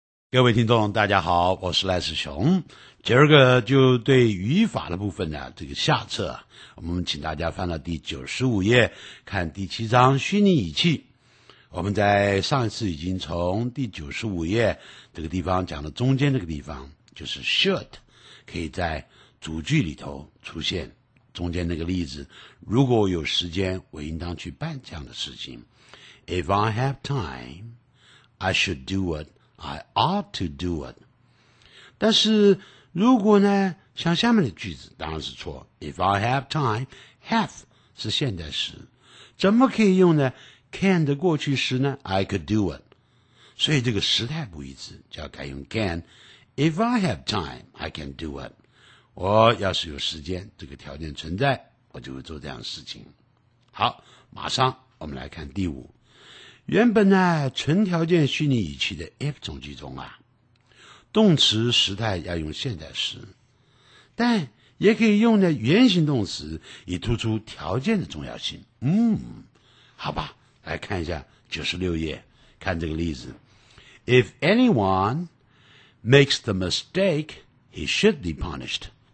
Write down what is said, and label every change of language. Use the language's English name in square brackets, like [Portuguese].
[Chinese] 各位听众，大家好，我是赖世雄。今儿个就对语法的部分呢，这个下册，我们请大家翻到第95页，看第七章虚拟语气。我们在上一次已经从第95页这个地方讲到中间这个地方，就是 should 可以在主句里头出现。中间那个例子，如果我有时间，我应当去办这样的事情。 [English] If I have time, I should do it. I ought to do it. [Chinese] 但是如果呢，像下面的句子当然是错。 [English] If I have time, [Chinese] have 是现在时，怎么可以用呢 ？Can 的过去时呢 ？ [English] I could do it. [Chinese] 所以这个时态不一致，就要改用 can. [English] If I have time, I can do it. [Chinese] 我要是有时间，这个条件存在，我就会做这样的事情。好，马上我们来看第五。原本呢，纯条件虚拟语气的 if 从句中啊，动词时态要用现在时，但也可以用的原形动词，以突出条件的重要性。好吧，来看一下96页，看这个例子。 [English] If anyone makes the mistake, he should be punished.